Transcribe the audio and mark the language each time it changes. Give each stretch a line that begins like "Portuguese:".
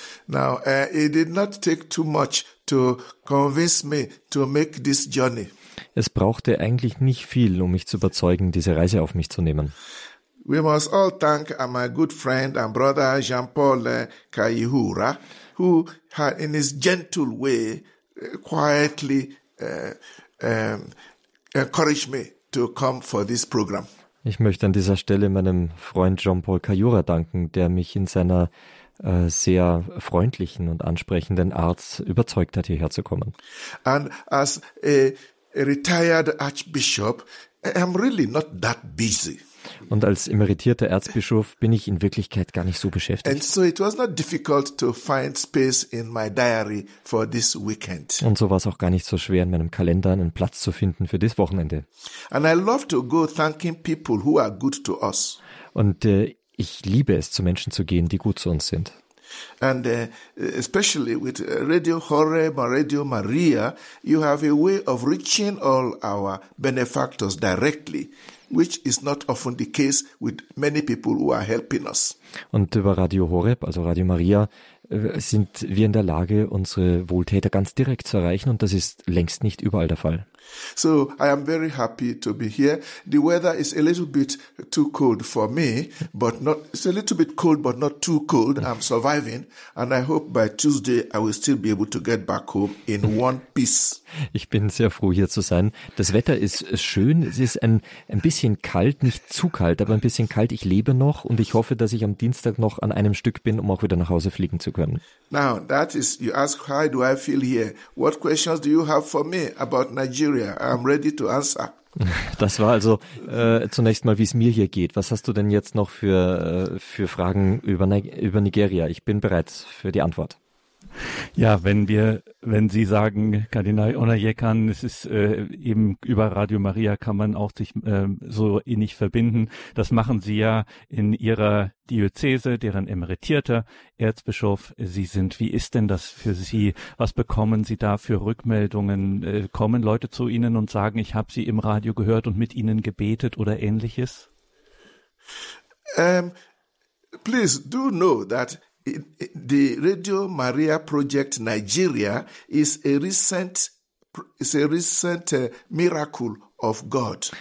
English: Now, it did not take too much to convince me to make this journey.
German: Es brauchte eigentlich nicht viel, um mich zu überzeugen, diese Reise auf mich zu nehmen.
English: We must all thank my good friend and brother Jean-Paul Kayihura, who had in his gentle way quietly encouraged me to come for this program.
German: Ich möchte an dieser Stelle meinem Freund Jean-Paul Kayura danken, der mich in seiner sehr freundlichen und ansprechenden Art überzeugt hat, hierher zu kommen.
English: And as a retired archbishop, I'm really not that busy.
German: Und als emeritierter Erzbischof bin ich in Wirklichkeit gar nicht so beschäftigt.
English: And so it was not difficult to find space in my diary for this weekend.
German: Und so war es auch gar nicht so schwer, in meinem Kalender einen Platz zu finden für dieses Wochenende.
English: And I love to go thanking people who are good to us.
German: Und ich liebe es, zu Menschen zu gehen, die gut zu uns sind.
English: And especially with Radio Horeb and Radio Maria, you have a way of reaching all our benefactors directly, which is not often the case with many people who are helping us.
German: Und über Radio Horeb, also Radio Maria, sind wir in der Lage, unsere Wohltäter ganz direkt zu erreichen, und das ist längst nicht überall der Fall.
English: So, I am very happy to be here. The weather is a little bit too cold for me, but not, it's a little bit cold, but not too cold. I'm surviving, and I hope by Tuesday I will still be able to get back home in one piece.
German: Ich bin sehr froh, hier zu sein. Das Wetter ist schön. Es ist ein bisschen kalt, nicht zu kalt, aber ein bisschen kalt. Ich lebe noch, und ich hoffe, dass ich am Dienstag noch an einem Stück bin, um auch wieder nach Hause fliegen zu können.
English: Now, that is, you ask, how do I feel here? What questions do you have for me about Nigeria? I'm ready to answer.
German: Das war also zunächst mal, wie es mir hier geht. Was hast du denn jetzt noch für Fragen über Nigeria? Ich bin bereit für die Antwort. Ja, wenn Sie sagen, Kardinal Onayekan, es ist eben über Radio Maria kann man auch sich so innig verbinden. Das machen Sie ja in Ihrer Diözese, deren emeritierter Erzbischof Sie sind. Wie ist denn das für Sie? Was bekommen Sie da für Rückmeldungen? Kommen Leute zu Ihnen und sagen, ich habe Sie im Radio gehört und mit Ihnen gebetet oder Ähnliches?
English: Please do know that the Radio Maria Project Nigeria is a recent miracle of God.